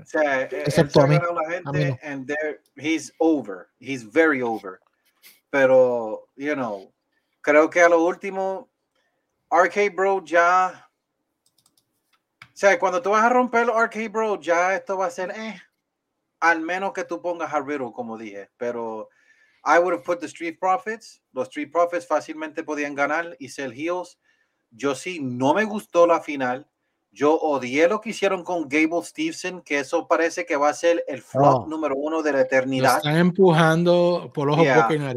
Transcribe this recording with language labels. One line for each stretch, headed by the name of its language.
Spanish: O sea, excepto a mí. Se ha ganado a la gente
English: and he's over. He's very over.
Spanish: Pero,
English: you know,
Spanish: creo que a lo último, RK-Bro ya... O sea, cuando tú vas a romper el RK-Bro, ya esto va a ser, al menos que tú pongas a Riddle, como dije.
English: Pero I would have put the Street Profits.
Spanish: Los Street Profits fácilmente podían ganar y ser heels. Yo sí, no me gustó la final. Yo odié lo que hicieron con Gable Stevenson, que eso parece que va a ser el flop número uno de la eternidad. Lo están empujando por los ojos.